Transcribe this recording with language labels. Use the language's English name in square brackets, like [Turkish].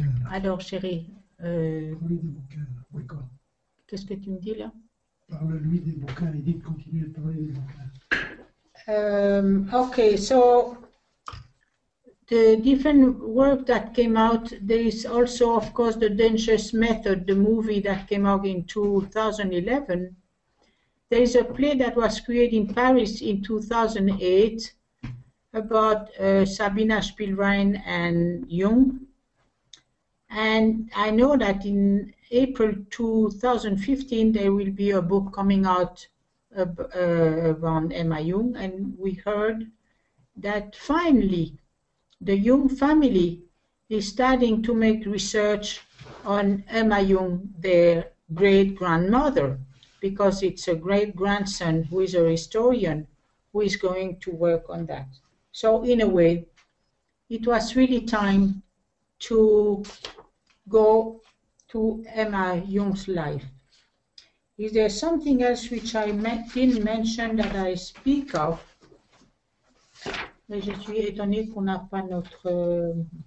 [French] Alors, chérie, qu'est-ce que tu me dis là? Parle-lui des bouquins et dis de continuer de parler des bouquins. [English] Okay, so the different work that came out, there is also, of course, The Dangerous Method, the movie that came out in 2011. There is a play that was created in Paris in 2008 about Sabina Spielrein and Jung. And I know that in April 2015, there will be a book coming out around Emma Jung. And we heard that finally, the Jung family is starting to make research on Emma Jung, their great-grandmother, because it's a great-grandson who is a historian who is going to work on that. So in a way, it was really time to go to Emma Jung's life. Is there something else which I didn't mention that I speak of? [French] Mais je suis étonnée qu'on n'a pas notre.